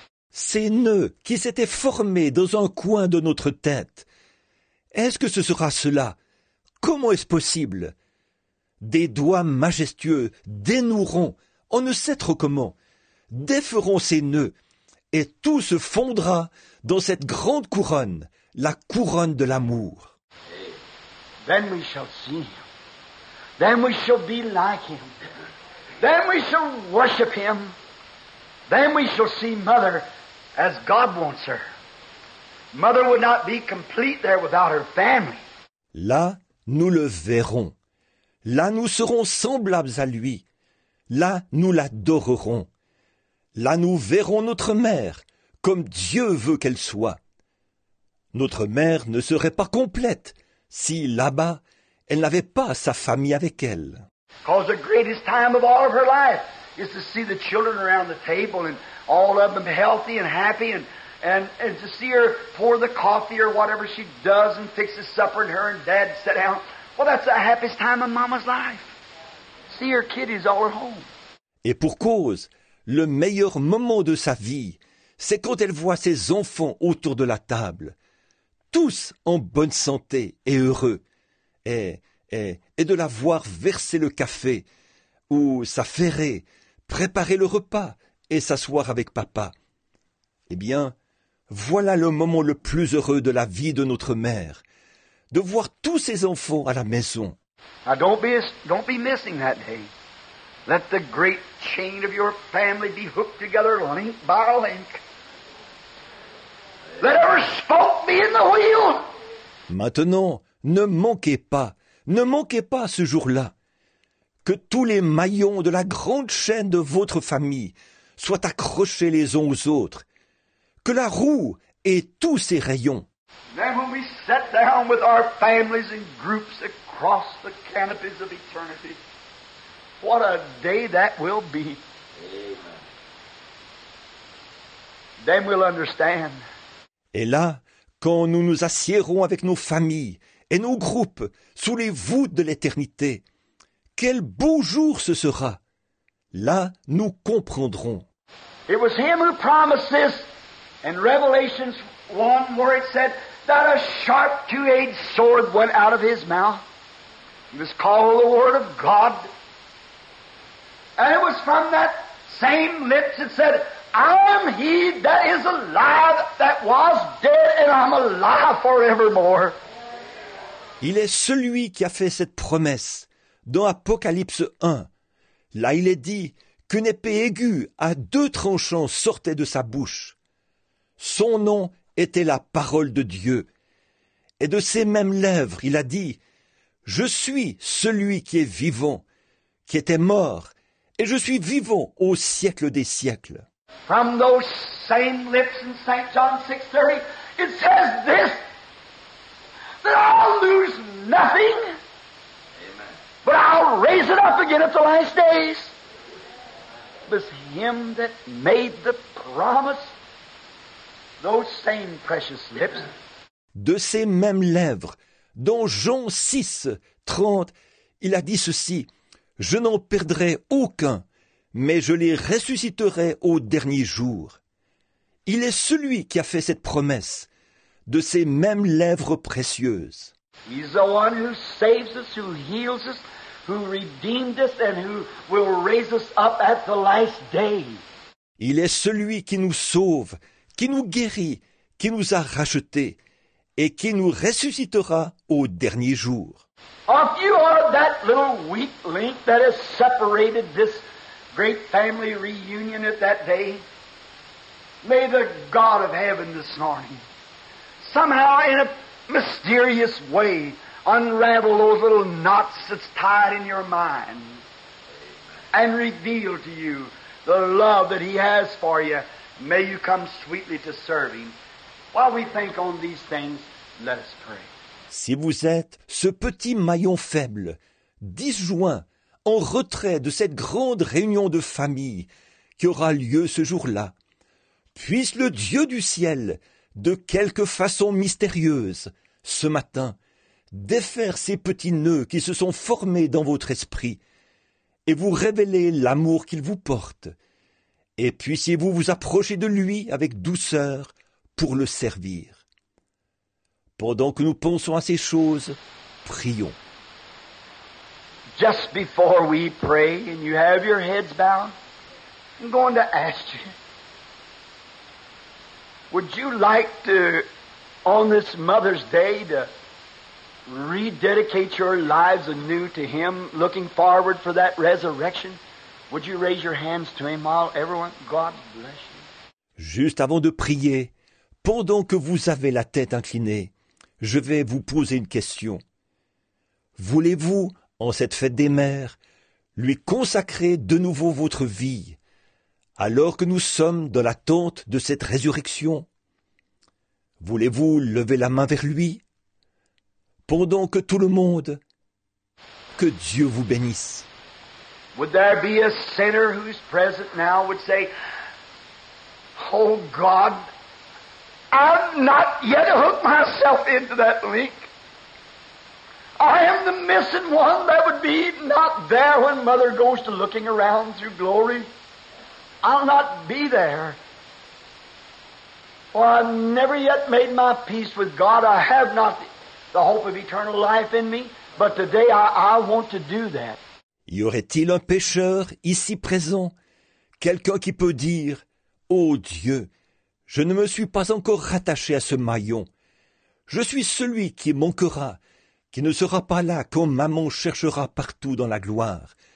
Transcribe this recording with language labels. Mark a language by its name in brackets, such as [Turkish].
[French] Ces nœuds qui s'étaient formés dans un coin de notre tête. Est-ce que ce sera cela? Comment est-ce possible? Des doigts majestueux dénoueront, on ne sait trop comment, déferont ces nœuds, et tout se fondra dans cette grande couronne, la couronne de l'amour. [English] Then we shall see him. Then we shall be like him. Then we shall worship him. Then we shall see Mother as God wants her. Mother would not be complete there without her family. [French] Là, nous le verrons. Là, nous serons semblables à lui. Là, nous l'adorerons. Là, nous verrons notre mère comme Dieu veut qu'elle soit. Notre mère ne serait pas complète si, là-bas, elle n'avait pas sa famille avec elle. [English] Because the greatest time of all of her life is to see the children around the table and all of them healthy and happy and to see her pour the coffee or whatever she does and fix the supper and her and dad sit down. Well, that's the happiest time of Mama's life. See her kiddies all at home. [French] Et pour cause, le meilleur moment de sa vie, c'est quand elle voit ses enfants autour de la table, tous en bonne santé et heureux. Et de la voir verser le café ou s'affairer, préparer le repas et s'asseoir avec papa. Eh bien, voilà le moment le plus heureux de la vie de notre mère, de voir tous ses enfants à la maison. [English] Now don't be missing that day. Let the great chain of your family be hooked together link by link. Let every spoke be in the wheel. [French] Maintenant, ne manquez pas. Ne manquez pas ce jour-là. Que tous les maillons de la grande chaîne de votre famille soient accrochés les uns aux autres. Que la roue ait tous ses rayons. [English] Then when we sit down with our families and groups across the canopies of eternity, what a day that will be. Amen. Then we'll understand. [French] Et là, quand nous nous assiérons avec nos familles, et nos groupes sous les voûtes de l'éternité. Quel beau jour ce sera! Là, nous comprendrons. [English] It was him who promised this in Revelation 1 where it said that a sharp two-edged sword went out of his mouth. It was called the Word of God. And it was from that same lips it said, I am he that is alive, that was dead, and I'm alive forevermore. [French] Il est celui qui a fait cette promesse dans Apocalypse 1. Là, il est dit qu'une épée aiguë à deux tranchants sortait de sa bouche. Son nom était la parole de Dieu. Et de ses mêmes lèvres, il a dit, « Je suis celui qui est vivant, qui était mort, et je suis vivant au siècle des siècles. » [English] From those same lips in St. John 6:30, it says this, that I'll lose nothing, amen, but I'll raise it up again at the last days. It was him that made the promise, those same precious lips. [French] De ces mêmes lèvres, dans Jean 6, 30, il a dit ceci, « Je n'en perdrai aucun, mais je les ressusciterai au dernier jour. » Il est celui qui a fait cette promesse, de ses mêmes lèvres précieuses. [English] He's the one who saves us, who heals us, who redeemed us, and who will raise us up at the last day. [French] Il est celui qui nous sauve, qui nous guérit, qui nous a rachetés, et qui nous ressuscitera au dernier jour. [English] If you are that little weak link that has separated this great family reunion at that day, may the God of heaven this morning somehow, in a mysterious way, unravel those little knots that's tied in your mind and reveal to you the love that he has for you. May you come sweetly to serve him. While we think on these things, let us pray. [French] Si vous êtes ce petit maillon faible, disjoint, en retrait de cette grande réunion de famille qui aura lieu ce jour-là, puisse le Dieu du ciel, de quelque façon mystérieuse, ce matin, défaire ces petits nœuds qui se sont formés dans votre esprit et vous révéler l'amour qu'il vous porte. Et puissiez-vous vous approcher de lui avec douceur pour le servir. Pendant que nous pensons à ces choses, prions. [English] Just before we pray and you have your heads bowed, I'm going to ask you, Would you like to, on this Mother's Day, to rededicate your lives anew to Him, looking forward for that resurrection? Would you raise your hands to Him, all everyone? God bless you. [French] Juste avant de prier, pendant que vous avez la tête inclinée, je vais vous poser une question. Voulez-vous, en cette fête des mères, lui consacrer de nouveau votre vie, alors que nous sommes dans l'attente de cette résurrection? Voulez-vous lever la main vers lui? Pendant que tout le monde, que Dieu vous bénisse. [English] Would there be a sinner who's present now would say, oh God, I've not yet hooked myself into that link. I am the missing one that would be not there when Mother goes to looking around through glory. I'll not be there. For I've never yet made my peace with God. I have not the hope of eternal life in me. But today I want to do that. [French] Y aurait-il un pécheur ici présent? Quelqu'un qui peut dire, oh Dieu, je ne me suis pas encore rattaché à ce maillon. Je suis celui qui manquera, qui ne sera pas là quand maman cherchera partout dans la gloire.